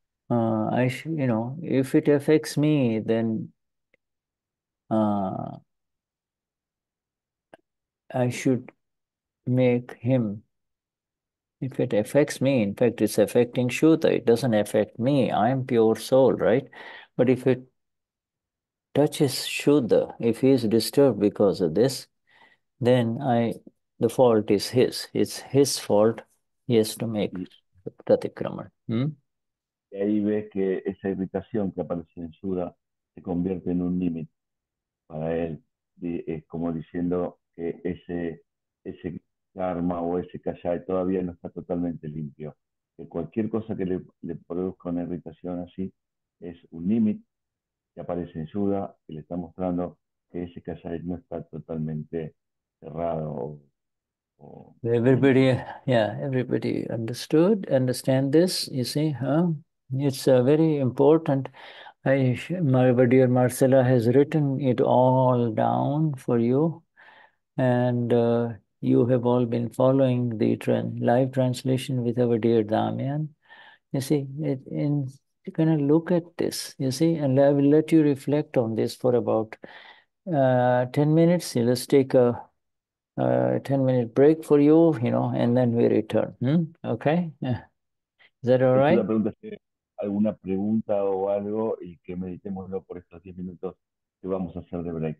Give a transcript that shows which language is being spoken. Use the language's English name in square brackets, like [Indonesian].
[English] You know, if it affects me, then, I should make him, if it affects me, in fact, it's affecting Shuddha, it doesn't affect me, I am pure soul, right? But if it touches Shuddha, if he is disturbed because of this, then the fault is his, it's his fault, he has to make Pratikramar. [Spanish] Y ahí ves que esa irritación que aparece en Suda se convierte en un límite para él. Es como diciendo que ese karma o ese kashay todavía no está totalmente limpio. Que cualquier cosa que le produzca una irritación así es un límite que aparece en Suda y le está mostrando que ese kashay no está totalmente cerrado o [English] Everybody, yeah, everybody understand this, you see, huh? It's very important. Dear Marcella has written it all down for you, and you have all been following the live translation with our dear Damian. You see, you can look at this, you see, and I will let you reflect on this for about 10 minutes. Let's take a 10-minute break for you, you know, and then we return. Okay? Is that all right? [Spanish] Alguna pregunta o algo y que meditémoslo por estos 10 minutos que vamos a hacer de break.